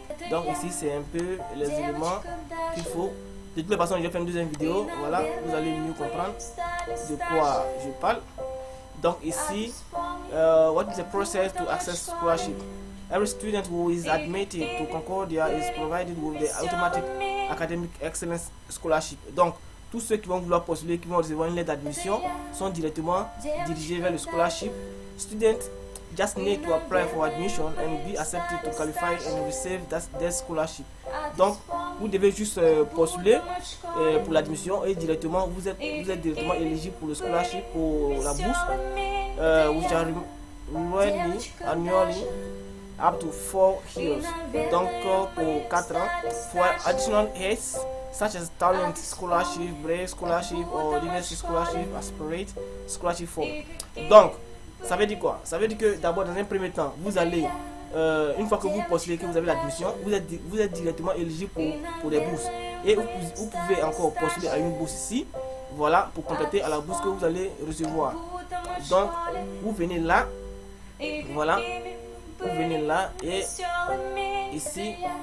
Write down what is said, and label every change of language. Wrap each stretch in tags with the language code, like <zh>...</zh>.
<fr>Donc ici, c'est un peu les éléments qu'il faut. De toute façon, je vais faire une deuxième vidéo. Voilà, vous allez mieux comprendre de quoi je parle. Donc ici,</fr> <en>what is the process to access scholarship? Every student who is admitted to Concordia is provided with the automatic academic excellence scholarship.</en> <fr>Donc, tous ceux qui vont vouloir postuler, qui vont recevoir une lettre d'admission, sont directement dirigés vers le scholarship.</fr> <en>Students just need to apply for admission and be accepted to qualify and receive their scholarship.</en> <fr>Donc, vous devez juste postuler pour l'admission et directement vous êtes directement éligible pour le scholarship, pour la bourse.</fr> <en>Which are really annually up to 4 years,</en> <fr>donc pour 4 ans.</fr> <en>For additional aids such as talent scholarship, brave scholarship or diversity scholarship, aspirate scholarship for.</en> <fr>Donc ça veut dire quoi? Ça veut dire que d'abord, dans un premier temps, vous allez une fois que vous postulez, que vous avez l'admission, vous êtes directement éligible pour des bourses, et vous pouvez encore postuler à une bourse ici, voilà, pour compléter à la bourse que vous allez recevoir. Donc vous venez là, voilà, vous venez là et ici</fr>